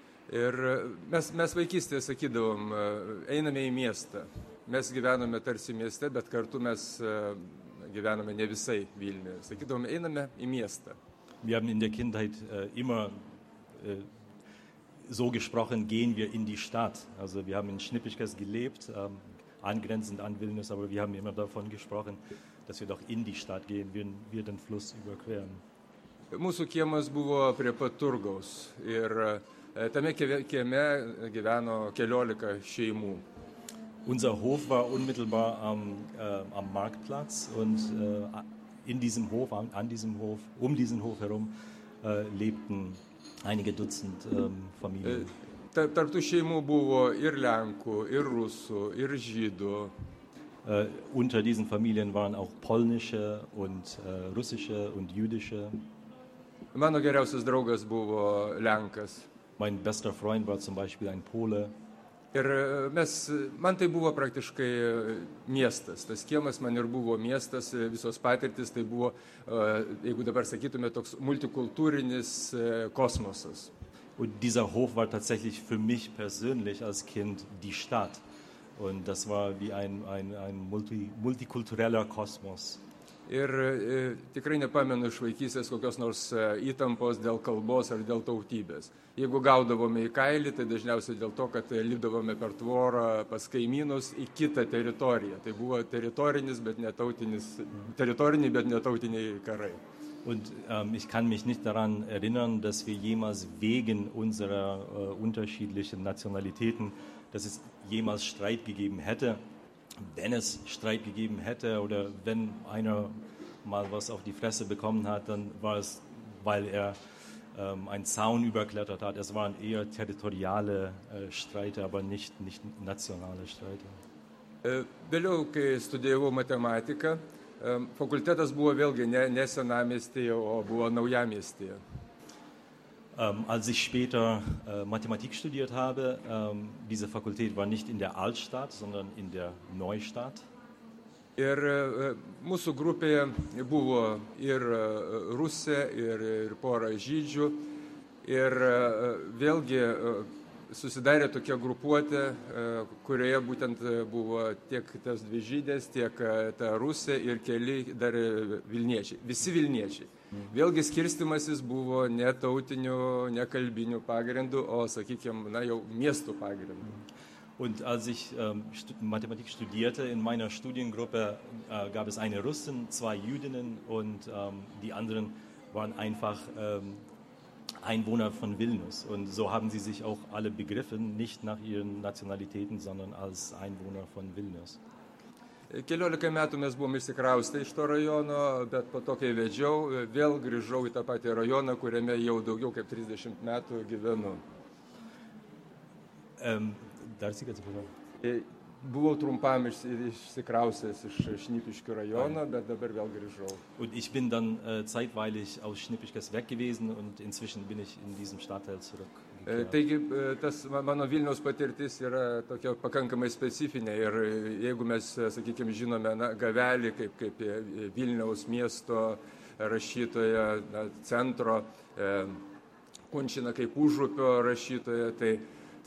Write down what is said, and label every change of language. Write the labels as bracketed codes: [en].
[lt] Ir mes vaikystėje sakydavom, einame į miestą. Mes gyvenome tarsi mieste, bet kartu mes gyvenome ne visai Vilniuje. Sakydavom, einame į miestą. [de] Wir haben in der Kindheit immer so gesprochen, gehen wir in die Stadt. Also wir haben in Šnipiškės gelebt, angrenzend an Vilnius, aber wir haben immer davon gesprochen, dass wir doch in die Stadt gehen, wenn wir den Fluss überqueren. [lt] Mūsų kiemas buvo prie pat Turgaus ir tame kieme gyveno 14 šeimų. [de] Unser Hof war unmittelbar am Marktplatz und in diesem Hof, an diesem Hof, um diesen Hof herum lebten einige Dutzend Familien. [lt] Tarp tų šeimų buvo ir Lenkų, ir Rusų, ir Žydų. [de] Unter diesen Familien waren auch polnische und russische und jüdische. [lt] Mano geriausias draugas buvo Lenkas. [de] Mein bester Freund war zum Beispiel ein Pole. [lt] Ir man tai buvo praktiškai miestas. Tas kiemas man ir buvo miestas, visos patirtis tai buvo, jeigu dabar sakytume, toks multikultūrinis kosmosas. [de] Und dieser Hof war tatsächlich für mich persönlich als Kind die Stadt. Und das war wie ein multikultureller Kosmos. [lt] Ir tikrai nepamenu iš vaikystės kokios nors įtampos dėl kalbos ar dėl tautybės. Jeigu gaudavome į kailį, tai dažniausiai dėl to, kad lipdavome per tvorą pas kaimynus į kitą teritoriją. Tai buvo teritoriniai, bet netautiniai karai. [de] Und ich kann mich nicht daran erinnern, dass wir jemals wegen unserer unterschiedlichen Nationalitäten, dass es jemals Streit gegeben hätte. Wenn es Streit gegeben hätte oder wenn einer mal was auf die Fresse bekommen hat, dann war es, weil er einen Zaun überklettert hat. Es waren eher territoriale Streite, aber nicht nationale Streite. [lt] Vėliau, kai studijavau matematiką, fakultetas buvo vėlgi ne senamiestyje, o buvo naujamiestyje. [de] Als ich später Mathematik studiert habe, diese Fakultät war nicht in der Altstadt, sondern in der Neustadt. [lt] Ir mūsų grupėje buvo ir Rusė, ir pora žydžių. Ir vėlgi susidarė tokia grupuotė, kurioje būtent buvo tiek tas dvi žydės, tiek ta Rusė ir keli dar vilniečiai, visi vilniečiai. Vėlgi skirstimasis buvo ne tautinių, ne kalbinių pagrindų, o sakykime, na jau miestų pagrindų. [de] Und als ich Mathematik studierte, in meiner Studiengruppe gab es eine Russin, 2 Jüdinnen und die anderen waren einfach Einwohner von Vilnius und so haben sie sich auch alle begriffen, nicht nach ihren Nationalitäten, sondern als Einwohner von Vilnius. [lt] 14 metų mes buvom išsikraustę iš to rajono, bet po to, kai vedžiau, vėl grįžau į tą patį rajoną, kuriame jau daugiau kaip 30 metų gyvenu. Dar sykį atsiprašau. Buvau trumpam išsikraustęs iš Šnipiškių rajono, bet dabar vėl grįžau. [de] Und ich bin dann zeitweilig aus Šnipiškės weg gewesen und inzwischen bin ich in diesem Stadtteil zurück. [lt] Taigi, tas mano Vilniaus patirtis yra tokia pakankamai specifinė ir jeigu mes, sakykime, žinome Gavelį kaip Vilniaus miesto rašytoje centro, Kunčiną kaip Užupio rašytoje, tai